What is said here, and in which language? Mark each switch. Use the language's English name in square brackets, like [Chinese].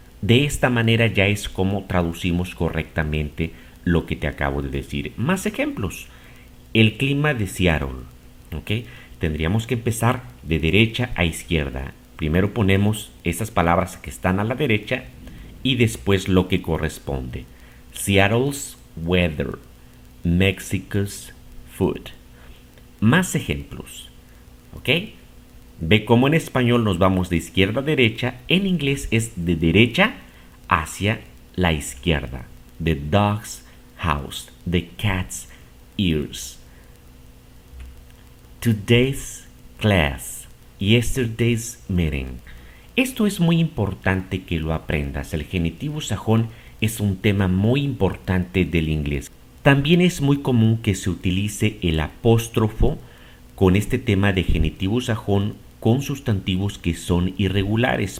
[Spanish] De esta manera ya es como traducimos correctamente lo que te acabo de decir. Más ejemplos. El clima de Seattle, ¿ok? Tendríamos que empezar de derecha a izquierda. Primero ponemos esas palabras que están a la derecha y después lo que corresponde. [English] Seattle's weather, Mexico's food. [Spanish] Más ejemplos, ¿ok? Ve cómo en español nos vamos de izquierda a derecha. En inglés es de derecha hacia la izquierda. [English] The dog's house, the cat's ears. Today's class, yesterday's meeting. [Spanish] Esto es muy importante que lo aprendas. El genitivo sajón es un tema muy importante del inglés. También es muy común que se utilice el apóstrofo con este tema de genitivo sajón con sustantivos que son irregulares.